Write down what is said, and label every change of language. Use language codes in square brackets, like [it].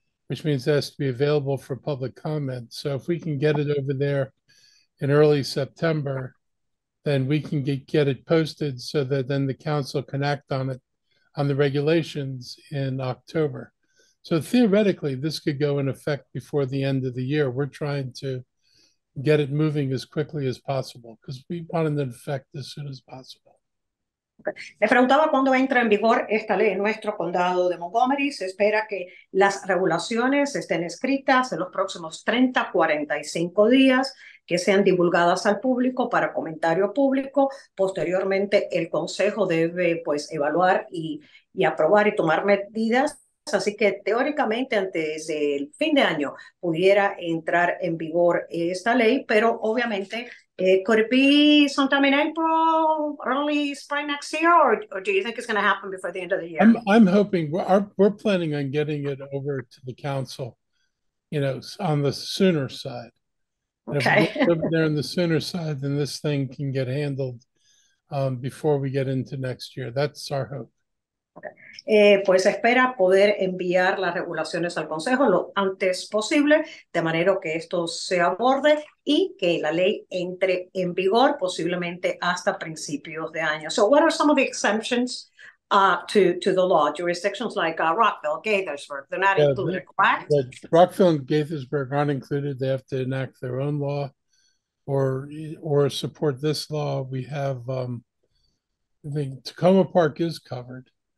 [en] Which means it has to be available for public comment. So if we can get it over there in early September, then we can get it posted so that then the council can act on it, on the regulations in October. So theoretically, this could go in effect before the end of the year. We're trying to get it moving as quickly as possible because we want it in effect as soon as possible. [es] Le preguntaba cuándo entra en vigor esta ley en nuestro condado de Montgomery. Se espera que las regulaciones estén escritas en los próximos 30, 45 días, que sean divulgadas al público para comentario público. Posteriormente, el consejo debe, pues, evaluar y aprobar y tomar medidas. Así que teóricamente antes del fin de año pudiera entrar en vigor esta ley, pero obviamente, [en] could it be sometime in April, early spring next year, or do you think it's going to happen before the end of the year? I'm hoping we're planning on getting it over to the council, you know, on the sooner side. And if we live there in the sooner side, then this thing can get handled before we get into next year. That's our hope. [es] Pues espera poder enviar las regulaciones al Consejo lo antes posible, de manera que esto se aborde y que la ley entre en vigor posiblemente hasta principios de año. [en] So what are some of the exemptions to the law? Jurisdictions like Rockville, Gaithersburg, they're not included, correct? But Rockville and Gaithersburg aren't included. They have to enact their own law or support this law. We have, I think Tacoma Park is covered.